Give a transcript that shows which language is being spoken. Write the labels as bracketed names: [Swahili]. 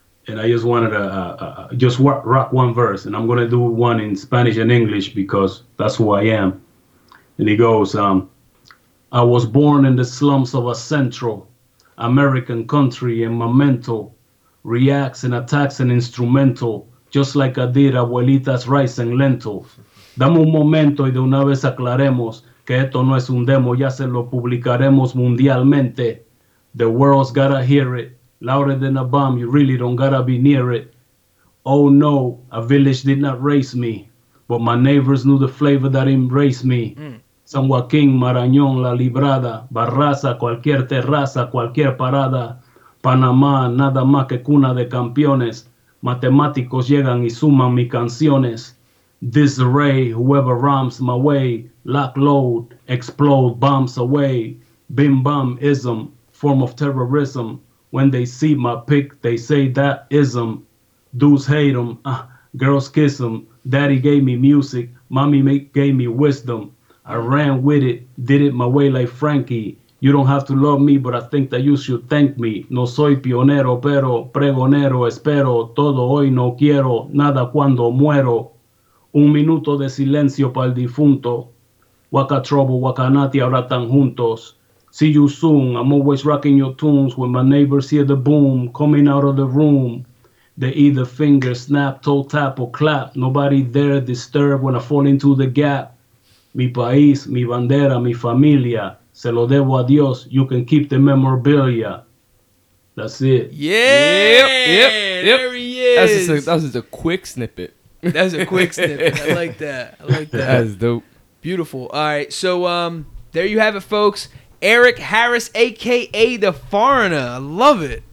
[English] and I just wanted to just rock one verse, and I'm going to do one in Spanish and English because that's who I am. And he goes, I was born in the slums of a central American country, and my mental reacts and attacks an instrumental, just like I did abuelita's rice and lentils. [Spanish] Dame un momento y de una vez aclaremos que esto no es un demo, ya se lo publicaremos mundialmente. [English] The world's gotta hear it, louder than a bomb, you really don't gotta be near it. Oh no, a village did not raise me, but my neighbors knew the flavor that embraced me. [Spanish] San Joaquin, Marañón, La Librada, Barraza, cualquier terraza, cualquier parada. Panamá, nada más que cuna de campeones. Matemáticos llegan y suman mis canciones. [English] Disarray, whoever rhymes my way. Lock, load, explode, bombs away. Bim bam ism, form of terrorism. When they see my pic, they say that ism. Dudes hate them, girls kiss them. Daddy gave me music, mommy gave me wisdom. I ran with it, did it my way like Frankie. You don't have to love me, but I think that you should thank me. [Spanish] No soy pionero, pero pregonero, espero. Todo hoy no quiero, nada cuando muero. Un minuto de silencio para el difunto. Waka Trouble, Waka Nati, ahora tan juntos. [English] See you soon, I'm always rocking your tunes. When my neighbors hear the boom coming out of the room, they either finger snap, toe tap, or clap. Nobody there disturb when I fall into the gap. [Spanish] Mi país, mi bandera, mi familia. Se lo debo a Dios. [English] You can keep the memorabilia. That's it. Yeah. There he is. That's just a quick snippet. That's a quick snippet. I like that. That's dope. Beautiful. All right. So there you have it, folks. Eric Harris, a.k.a. The Foreigner. I love it.